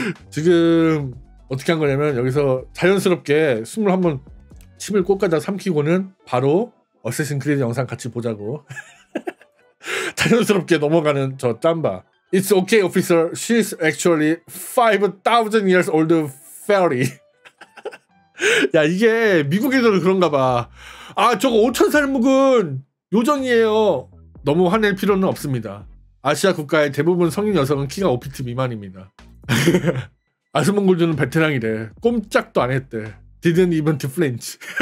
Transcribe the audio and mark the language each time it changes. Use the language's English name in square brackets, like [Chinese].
[Korean] 지금 어떻게 한 거냐면 여기서 자연스럽게 숨을 한번 침을 꼭가다 삼키고는 바로 어쌔신 크리드 영상 같이 보자고 자연스럽게 넘어가는 저 짬바. [English] It's okay, officer. She's actually 5,000 years old fairy. [Korean] 야 이게 미국에서는 그런가 봐. 아 저거 5천 살 묵은 요정이에요. 너무 화낼 필요는 없습니다. 아시아 국가의 대부분 성인 여성은 키가 5피트 미만입니다. 아스몽골드는 베테랑이래. 꼼짝도 안 했대. [English] Didn't even flinch.